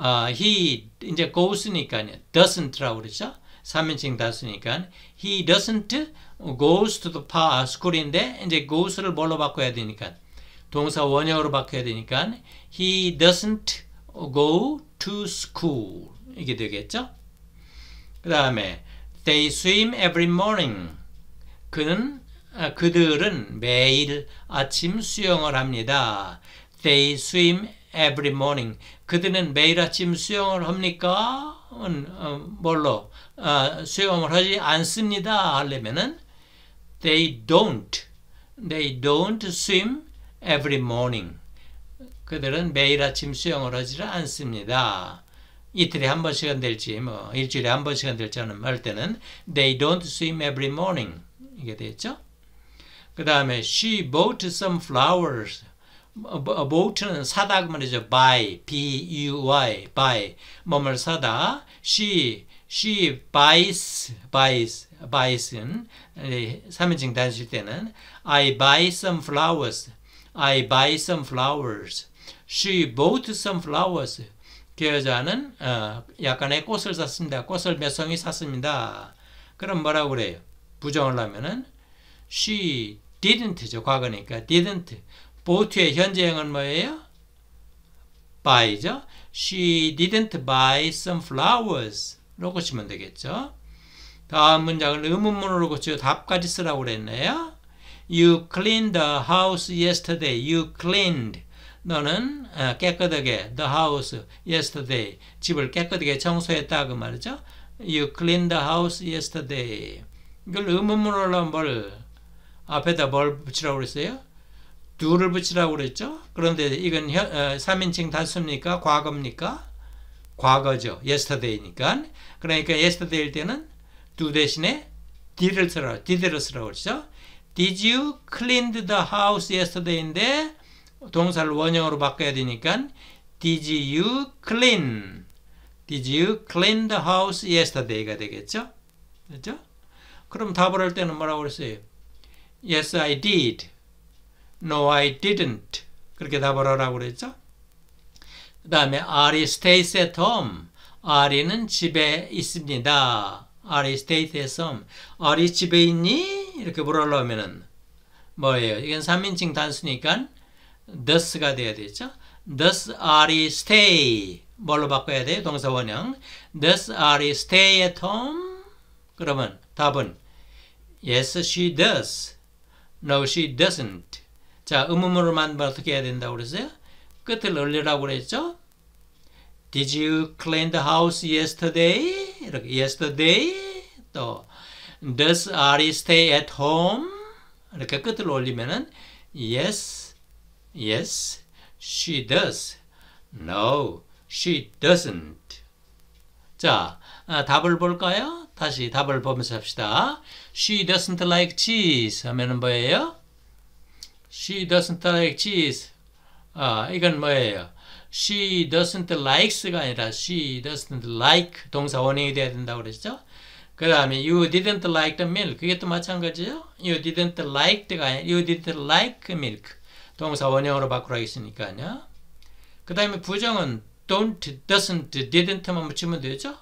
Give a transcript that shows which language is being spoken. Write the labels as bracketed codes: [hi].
[ko] He 이제 goes니까 doesn't라고 그랬죠? 3인칭 다수니까 [en] He doesn't goes to the school [ko] 인데 이제 goes를 뭘로 바꿔야 되니까 동사 원형으로 바꿔야 되니까 [en] He doesn't go to school [ko] 이게 되겠죠? 그 다음에 [en] They swim every morning. [ko] 그들은 매일 아침 수영을 합니다. [en] They swim every morning. [ko] 그들은 매일 아침 수영을 합니까? 뭘로? 수영을 하지 않습니다. 하려면은 [en] They don't. They don't swim every morning. [ko] 그들은 매일 아침 수영을 하지 않습니다. 이틀에 한 번씩은 될지 뭐 일주일에 한 번씩은 될지 하는 말 때는 [en] they don't swim every morning [ko] 이게 됐죠. [en] 그 다음에 she bought some flowers. [ko] bought는 사다 그 말이죠. [en] buy b-u-y buy [ko] 뭐뭐 사다. [en] she buys [ko] 3인칭 단수일 때는 [en] I buy some flowers. I buy some flowers. She bought some flowers. [ko] 그 여자는 약간의 꽃을 샀습니다. 꽃을 몇 송이 샀습니다. 그럼 뭐라고 그래요? 부정을 하면은 She didn't죠. 과거니까 didn't. bought의 현재형은 뭐예요? buy죠. [en] She didn't buy some flowers. [ko] 로 고치면 되겠죠. 다음 문장을 의문문으로 고치고 답까지 쓰라고 그랬네요. [en] You cleaned the house yesterday. You cleaned. [ko] 너는 깨끗하게 [en] the house yesterday. [ko] 집을 깨끗하게 청소했다 그 말이죠. [en] You cleaned the house yesterday. [ko] 이걸 의문문으로 하면 뭘 앞에다 뭘 붙이라고 그랬어요? do를 붙이라고 그랬죠. 그런데 이건 3인칭 단수입니까? 과거입니까? 과거죠. yesterday니까. 그러니까 yesterday일 때는 do 대신에 did를 쓰라고 그러죠. [en] Did you clean the house yesterday인데 동사를 원형으로 바꿔야 되니까 Did you clean? Did you clean the house yesterday [ko] 가 되겠죠? 그렇죠? 그럼 답을 할 때는 뭐라고 그랬어요? [en] Yes, I did. No, I didn't. [ko] 그렇게 답을 하라고 그랬죠? 그 다음에 [en] Ari stays at home. [ko] Ari는 집에 있습니다. [en] Ari stays at home. Ari [ko] 집에 있니? 이렇게 물으려고 하면은 뭐예요? 이건 3인칭 단수니까 thus가 돼야 되죠. [en] Thus Ari stay. [ko] 뭘로 바꿔야 돼요? 동사 원형. [en] Thus Ari stay at home. [ko] 그러면 답은 [en] Yes, she does. No, she doesn't. [ko] 자, 의문문으로 만들면 어떻게 해야 된다고 그랬어요? 끝을 올리라고 그랬죠? [en] Did you clean the house yesterday? [ko] 이렇게 yesterday. [en] 또 Does Ari stay at home? [ko] 이렇게 끝을 올리면은 [en] Yes, yes, she does. No, she doesn't. [ko] 자, 답을 볼까요? 다시 답을 보면서 합시다. [en] She doesn't like cheese [ko] 하면은 뭐예요? [en] She doesn't like cheese. [ko] 아, 이건 뭐예요? [en] She doesn't likes [ko] 가 아니라 [en] She doesn't like [ko] 동사 원형이 돼야 된다고 그랬죠? 그 다음에 [en] You didn't like the milk. [ko] 그게 또 마찬가지죠? [en] You didn't like가 [ko] 아니라 [en] You didn't like milk. [ko] 동사 원형으로 바꾸라 했으니까요. 그 다음에 부정은 [en] Don't, doesn't, didn't [ko] 만 붙이면 되죠?